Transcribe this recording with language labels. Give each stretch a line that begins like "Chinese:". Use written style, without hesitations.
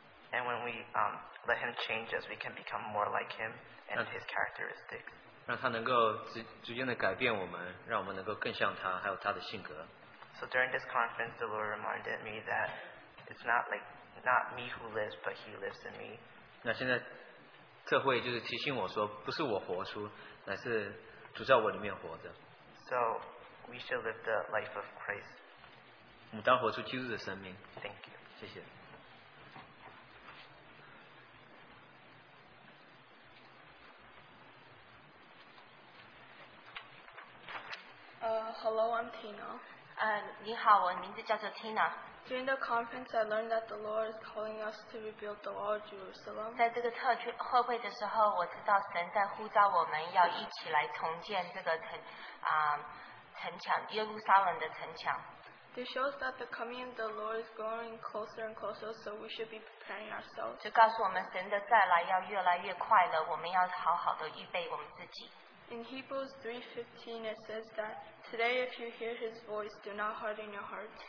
English: And when we let Him change us, we can become more like Him and His characteristics.
Chinese: 让祂能够逐渐的改变我们，让我们能够更像祂，还有祂的性格。
English: So during this conference, the Lord reminded me that it's not me who lives, but He lives in me.
Chinese: 那现在，这会就是提醒我说，不是我活出，乃是主在我里面活着。
English: So we should live the life of Christ.
Chinese: 我们当活出基督的生命。
English: Thank you.
Chinese: 谢谢。
English: Hello, I'm Tina.
Chinese: 你好，我名字叫做 Tina。
English: During the conference, I learned that the Lord is calling us to rebuild the wall of Jerusalem.
Chinese: 在这个特会的时候，我知道神在呼召我们要一起来重建这个城墙，耶路撒冷的城墙。
English: This shows that the coming of the Lord is growing closer and closer, so we should be preparing ourselves.
Chinese: 就告诉我们神的再来要越来越快了，我们要好好的预备我们自己。
English: In Hebrews 3:15, it says that today, if you hear His voice, do not harden your heart.